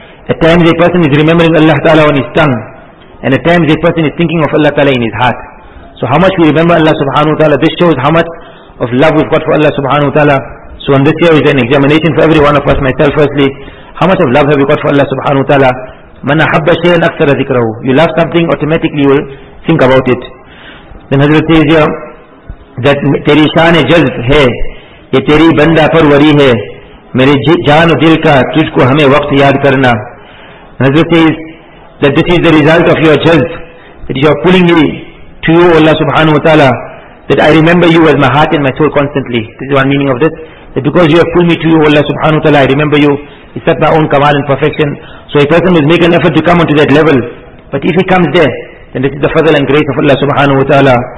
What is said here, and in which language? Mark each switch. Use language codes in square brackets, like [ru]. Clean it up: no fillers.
[en] At times a person is remembering Allah ta'ala on his tongue. And at times a person is thinking of Allah ta'ala in his heart. So how much we remember Allah subhanahu wa ta'ala. This shows how much of love we've got for Allah subhanahu wa ta'ala. So on this year is an examination for every one of us, myself firstly. How much of love have you got for Allah subhanahu wa ta'ala? [ar] مَنْ أَحَبَّ شَيْءٍ أَكْثَرَ ذِكْرَهُ. [en] You love something, automatically you will think about it. Then Hazrat says here, that [ur] تیری شان جذب ہے یہ تیری بندہ پروری ہے میرے جان و دل کا تجھ کو ہمیں وقت یاد کرنا. [en] Hazrat says that this is the result of your jazb, that you are pulling me to you, Allah subhanahu wa ta'ala, that I remember you with my heart and my soul constantly. This is one meaning of this. That because you have pulled me to you, Allah subhanahu wa ta'ala, I remember you. It's not my own kamal and perfection. So a person will make an effort to come onto that level. But if he comes there, then this is the fadl and grace of Allah subhanahu wa ta'ala.